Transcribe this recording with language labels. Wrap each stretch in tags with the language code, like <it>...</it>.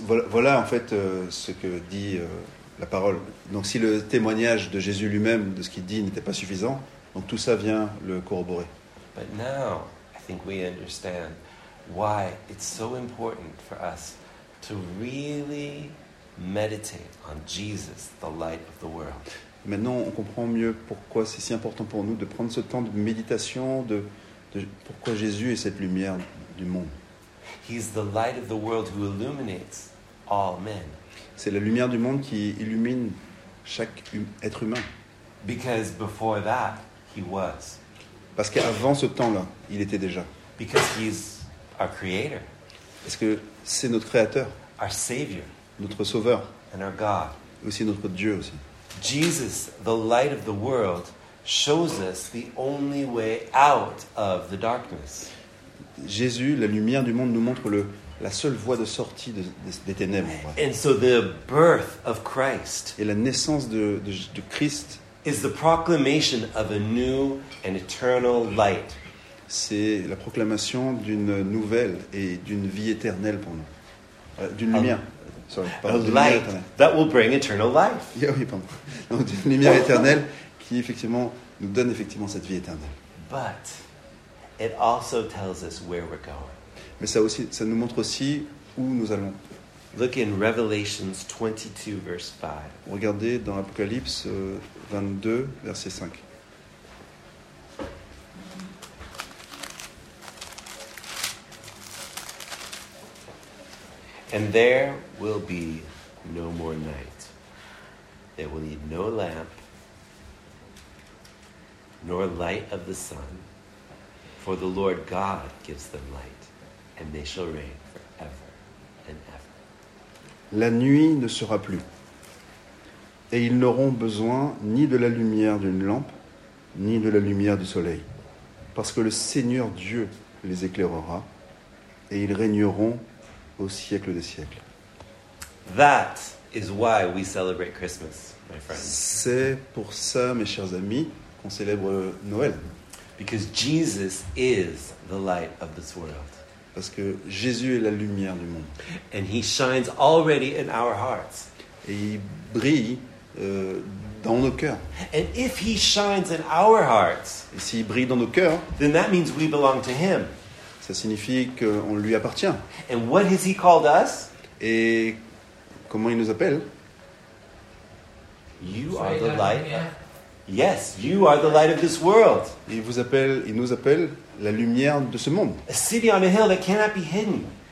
<fr>Voilà en fait ce que dit la parole. Donc si le témoignage de Jésus lui-même de ce qu'il dit n'était pas suffisant, donc tout ça vient le corroborer.</fr> <en>But now, I think we understand why it's so important for us to really meditate on Jesus, the light of the world.</en> <fr>Maintenant, on comprend mieux pourquoi c'est si important pour nous de prendre ce temps de méditation de pourquoi Jésus est cette lumière du monde.</fr> <en>He's the light of the world who illuminates all men.</en> <fr>C'est la lumière du monde qui illumine chaque être humain.</fr> <en>Because before that, he was.</en> <fr>Parce qu'avant ce temps-là, il était déjà.</fr> <en>Because he's our creator.</en> <fr>Parce que c'est notre créateur.</fr> <en>Our savior.</en> <fr>Notre sauveur.</fr> <en>And our God.</en> <fr>Aussi notre Dieu aussi.</fr> <en>Jesus, the light of the world, shows us the only way out of the darkness.</en> <fr>Jésus, la lumière du monde, nous montre la seule voie de sortie des ténèbres. Ouais.</fr> <en>And so the birth of Christ.</en> <fr>Et la naissance de Christ.</fr> <en>Is the proclamation of a new and eternal light.</en> <fr>C'est la proclamation d'une nouvelle et d'une vie éternelle pour nous. D'une lumière.</fr> <en>Light that will bring eternal life.</en> <fr>Yeah, oui, pardon. Donc d'une lumière éternelle qui effectivement nous donne effectivement cette vie éternelle.</fr> <en>But it also tells us where we're going.</en> <fr>Mais ça nous montre aussi où nous allons.</fr> <en>Look in Revelation 22, verse 5.</en> <fr>Regardez dans Apocalypse 22, verset 5.</fr> <en>And there will be no more night. They will need no lamp, nor light of the sun. For the Lord God gives them light, and they shall reign forever and ever.</en> <fr>La nuit ne sera plus, et ils n'auront besoin ni de la lumière d'une lampe, ni de la lumière du soleil, parce que le Seigneur Dieu les éclairera, et ils régneront au siècle des siècles.</fr> <en>That is why we celebrate Christmas, my friends.</en> <fr>C'est pour ça, mes chers amis, qu'on célèbre Noël.</fr> <en>Because Jesus is the light of this world.</en> <fr>Parce que Jésus est la lumière du monde.</fr> <en>And he shines already in our hearts.</en> <fr>Et il brille dans nos cœurs.</fr> <en>And if he shines in our hearts,</en> <fr>et s'il brille dans nos cœurs,</fr> <en>then that means we belong to him.</en> <fr>Ça signifie qu'on lui appartient.</fr> <en>And what has he called us?</en> <fr>Et comment il nous appelle?</fr> <en>You are the light. Yes, you are the light of this world.</en> <fr>Il nous appelle la lumière de ce monde.</fr> <en>A city on a hill that cannot be hidden.</en>